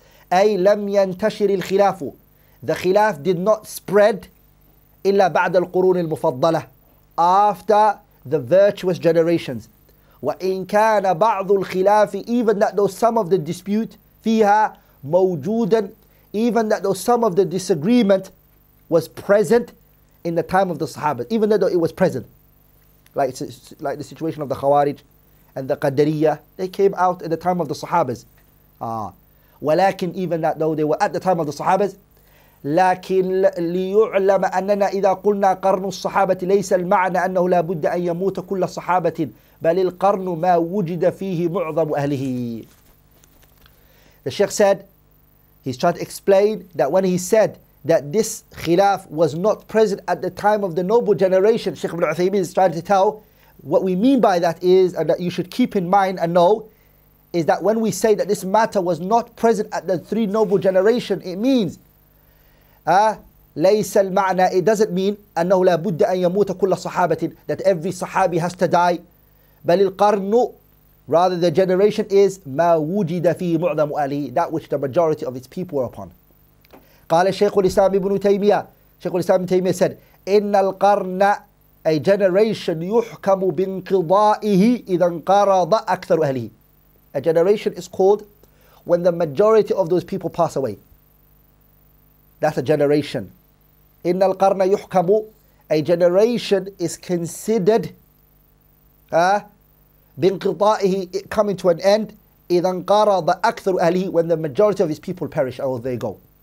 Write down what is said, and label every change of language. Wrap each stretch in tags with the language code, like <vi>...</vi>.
<en>أي لم ينتشر الخلاف the خلاف did not spread إلا بعد القرون المفضلة after the virtuous generations وإن كان بعض الخلاف even that though some of the dispute فيها موجودا even that though some of the disagreement was present in the time of the Sahaba, even though it was present. Like the situation of the Khawarij and the Qadariya, they came out at the time of the Sahabas.</en> <ar>ولكن even that though they were at the time of the Sahabas, لكن ليعلم أننا إذا قلنا قرن الصحابة ليس المعنى أنه لابد أن يموت كل صحابة بل القرن ما وجد فيه معظم أهله.</ar> <en>The Sheikh said, he's trying to explain that when he said that this khilaf was not present at the time of the noble generation, Sheikh Ibn Uthaymeen is trying to tell, what we mean by that is, and that you should keep in mind and know, is that when we say that this matter was not present at the three noble generation, it means, ليس المعنى, it doesn't mean, أنه لا بد أن يموت كل صحابة, that every sahabi has to die, بل القرن, rather the generation is, ما وجد فيه معظم أهله, that which the majority of its people were upon.</en> <ar>قال الشيخ الإسلام ابن تيمية شيخ الإسلام ابن تيمية said إن القرن a generation يحكم بانقضائه إذا انقرض أكثر أهله.</ar> <en>A generation is called when the majority of those people pass away. That's a generation. إن القرن يحكم. A generation is considered بانقضائه, coming to an end, إذا انقرض أكثر أهله, when the majority of his people perish or they go.</en>